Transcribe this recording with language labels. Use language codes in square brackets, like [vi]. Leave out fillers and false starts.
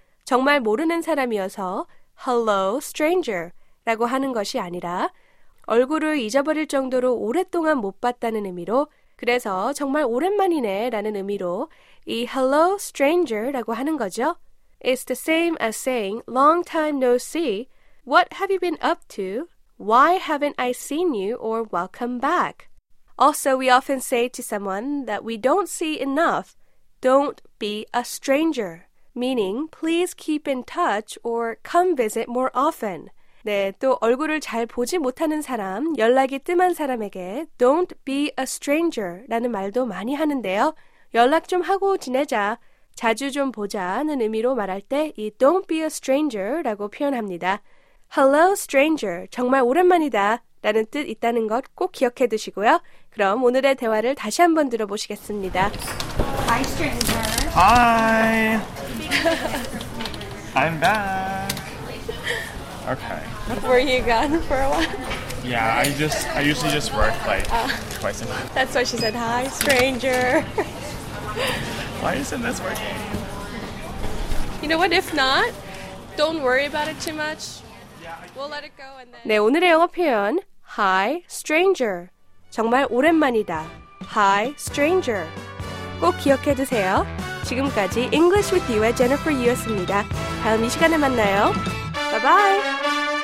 [ko] 정말 모르는 사람이어서 [en] Hello, Stranger [ko] 라고 하는 것이 아니라 얼굴을 잊어버릴 정도로 오랫동안 못 봤다는 의미로 그래서 정말 오랜만이네 라는 의미로 이 Hello, Stranger 라고 하는 거죠. [en] It's the same as saying Long time no see. What have you been up to? Why haven't I seen you or welcome back? Also, we often say to someone that we don't see enough, Don't be a stranger. Meaning, please keep in touch or come visit more often. [ko] 네, 또 얼굴을 잘 보지 못하는 사람, 연락이 뜸한 사람에게 [en] Don't be a stranger [ko] 라는 말도 많이 하는데요. 연락 좀 하고 지내자, 자주 좀 보자는 의미로 말할 때 이 [en] Don't be a stranger [ko] 라고 표현합니다. [en] Hello stranger, [ko] 정말 오랜만이다 라는 뜻 있다는 것 꼭 기억해 두시고요. 그럼 오늘의 대화를 다시 한번 들어보시겠습니다. [en] Hi stranger. Hi. I'm back. Okay. Were you gone for a while? Yeah, I usually just work like twice a month. That's why she said hi stranger. Why isn't this working? You know what, if not, don't worry about it too much. We'll let it go and then... [ko] 네, 오늘의 영어 표현, [en] Hi, Stranger. [ko] 정말 오랜만이다. [en] Hi, Stranger. [ko] 꼭 기억해 두세요. 지금까지 English with You의 Jennifer Yu였습니다. 다음 이 시간에 만나요. [en] Bye-bye!